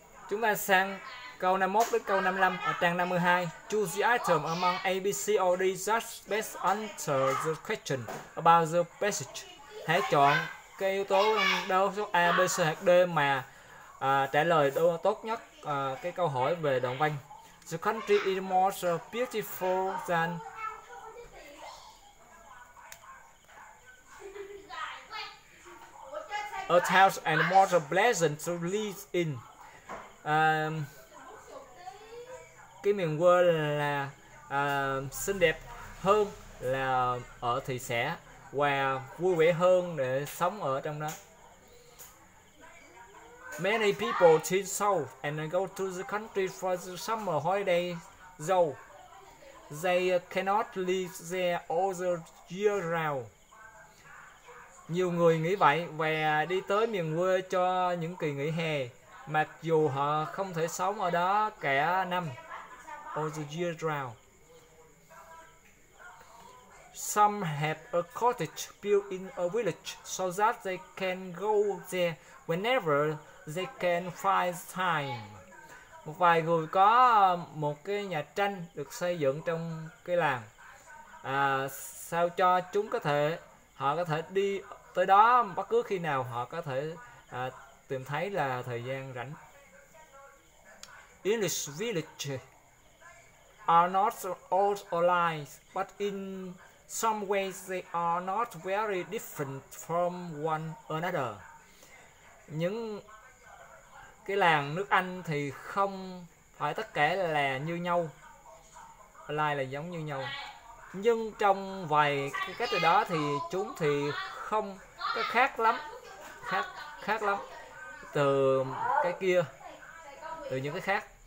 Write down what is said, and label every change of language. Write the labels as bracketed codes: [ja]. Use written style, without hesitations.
[vi] Chúng ta sang câu 51 đến câu 55 ở trang 52. [en] Choose the item among A, B, C, or D just best answer the question about the passage. [vi] Hãy chọn cái yếu tố đâu số A, B, C hoặc D mà trả lời tốt nhất cái câu hỏi về đoạn văn. [en] The country is more beautiful than... A town and more pleasant to live in. [vi] Cái miền quê là xinh đẹp hơn là ở thị xã, và vui vẻ hơn để sống ở trong đó. [en] Many people teach south and go to the country for the summer holiday, though they cannot live there all the year round. [vi] Nhiều người nghĩ vậy và đi tới miền quê cho những kỳ nghỉ hè, mặc dù họ không thể sống ở đó cả năm. [en] All the year round. Some have a cottage built in a village so that they can go there whenever they can find time. [vi] Một vài người có một cái nhà tranh được xây dựng trong cái làng, sao cho chúng có thể, họ có thể đi tới đó bất cứ khi nào họ có thể tìm thấy là thời gian rảnh. [en] English villages are not all alike, but in Some ways they are not very different from one another. [vi] Những cái làng nước Anh thì không phải tất cả là như nhau, lại là giống như nhau. Nhưng trong vài cái cách đó thì chúng thì không có khác lắm, khác lắm từ cái kia, từ những cái khác.